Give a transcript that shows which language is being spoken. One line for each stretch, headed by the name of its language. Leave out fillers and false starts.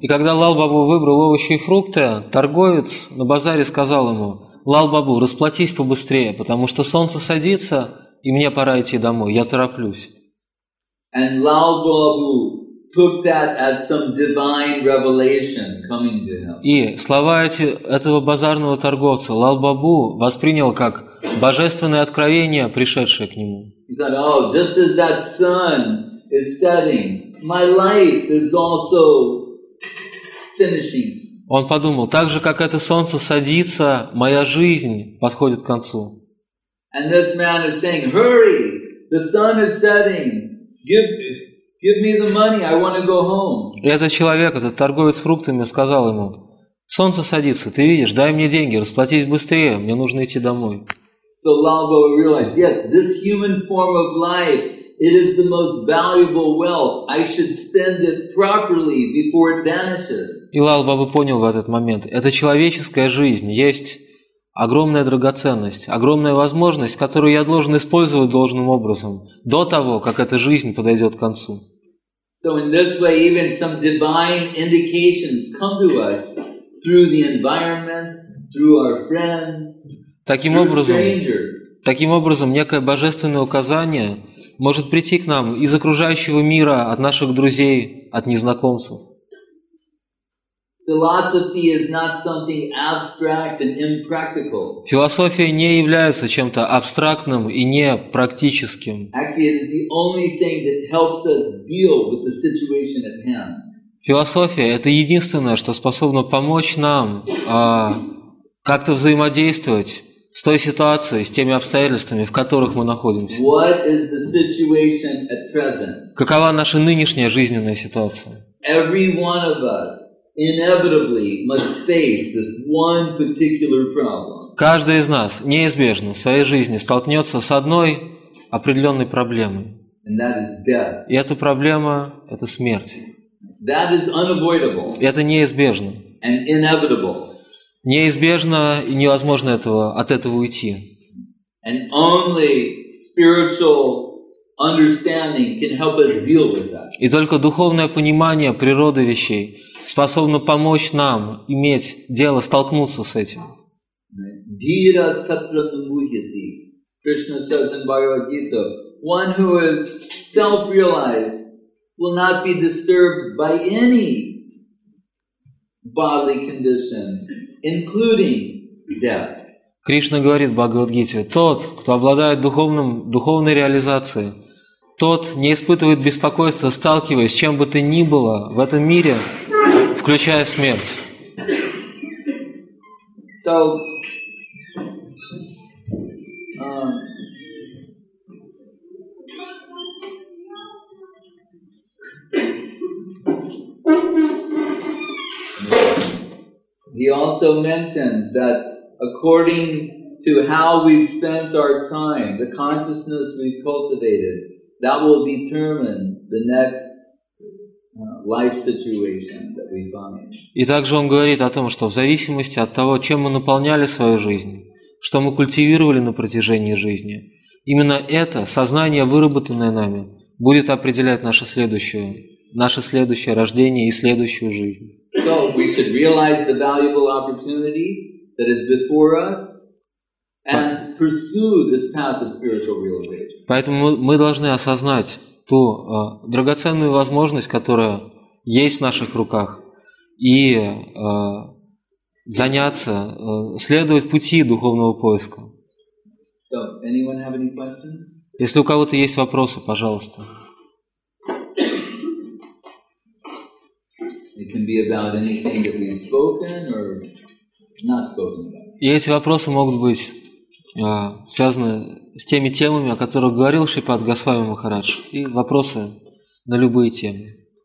Russian: И когда Лал Бабу выбрал овощи и фрукты, торговец на базаре сказал ему: "Лал Бабу, расплатись побыстрее, потому что солнце садится, и мне пора идти домой. Я тороплюсь."
English: And Lal Babu took that as some divine revelation coming to him.
Russian: И слова этого базарного торговца Лал Бабу воспринял как божественное откровение, пришедшее к нему.
English: He said, "Oh, just as that sun is setting, my life is also finishing."
Russian: Он подумал, так же как это солнце садится, моя жизнь подходит к концу.
English: And this man is saying, "Hurry! The sun is setting. Give me the money, I want to go home."
Russian: И этот человек, этот торговец фруктами, сказал ему: "Солнце садится, ты видишь, дай мне деньги, расплатись быстрее, мне нужно идти домой."
English: So Lal Babu realized, yes, this human form of life, it is the most valuable wealth. I should spend it properly before it vanishes.
Russian: И Лал Бабу понял в этот момент, эта человеческая жизнь есть огромная драгоценность, огромная возможность, которую я должен использовать должным образом до того, как эта жизнь подойдет к концу.
English: So in this way, even some divine indications come to us through the environment, through our friends,
Russian: Таким образом, некое божественное указание может прийти к нам из окружающего мира, от наших друзей, от незнакомцев.
English: Philosophy is not something abstract and impractical.
Russian: Философия не является чем-то абстрактным и непрактическим.
English: Actually, it is the only thing that helps us deal with the situation at hand.
Russian: Философия — это единственное, что способно помочь нам как-то взаимодействовать с той ситуацией, с теми обстоятельствами, в которых мы находимся.
English: What is the situation at present?
Russian: Какова наша нынешняя жизненная ситуация?
English: Every one of us inevitably must face this one particular problem.
Russian: Каждый из нас неизбежно в своей жизни столкнется с одной определенной проблемой.
English: And that is death.
Russian: И эта проблема — это смерть.
English: That is unavoidable.
Russian: Это неизбежно.
English: And inevitable.
Russian: Неизбежно и невозможно от этого уйти.
English: And only spiritual understanding can help us deal with that.
Russian: И только духовное понимание природы вещей способно помочь нам иметь дело, столкнуться с этим.
Sanskrit: Dhiras tatramuhyati.
English: Krishna says in Bhagavad Gita, one who is self-realized will not be disturbed by any bodily condition, including death.
Russian: Кришна говорит в Бхагавад-гите, тот, кто обладает духовной реализацией, тот не испытывает беспокойства, сталкиваясь с чем бы то ни было в этом мире, включая смерть.
English: So, he also mentions that according to how we've spent our time, the consciousness we've cultivated, that will determine the next life situation that we find.
Russian: И также он говорит о том, что в зависимости от того, чем мы наполняли свою жизнь, что мы культивировали на протяжении жизни, именно это сознание, выработанное нами, будет определять наше следующее рождение и следующую жизнь.
English: So we should realize the valuable opportunity that is before us and pursue this path of spiritual realization.
Russian: Поэтому мы должны осознать ту драгоценную возможность, которая есть в наших руках, и заняться, следовать пути духовного поиска.
English: So, anyone have any questions?
Russian: Если у кого-то есть вопросы, пожалуйста.
English: It can be about anything that we've spoken or not spoken about.
Russian: И эти вопросы могут быть связаны с теми темами, о которых говорил Шипад Госвами Махарадж, и вопросы на любые темы.